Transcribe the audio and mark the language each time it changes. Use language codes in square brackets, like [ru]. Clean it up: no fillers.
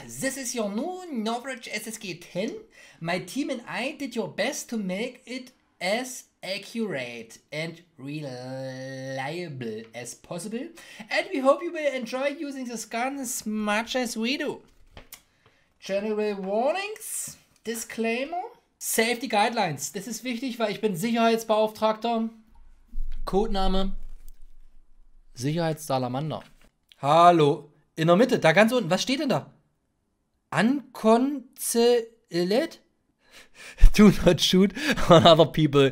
[en] This is your new Norbridge SSG 10. My team and I did your best to make it as accurate and reliable as possible. And we hope you will enjoy using this gun as much as we do. General warnings, disclaimer, safety guidelines. [de] Das ist wichtig, weil ich bin Sicherheitsbeauftragter. Codename, Sicherheitssalamander. Hallo, in der Mitte, da ganz unten, was steht denn da? [en] Unconcealed? Do not shoot on other people.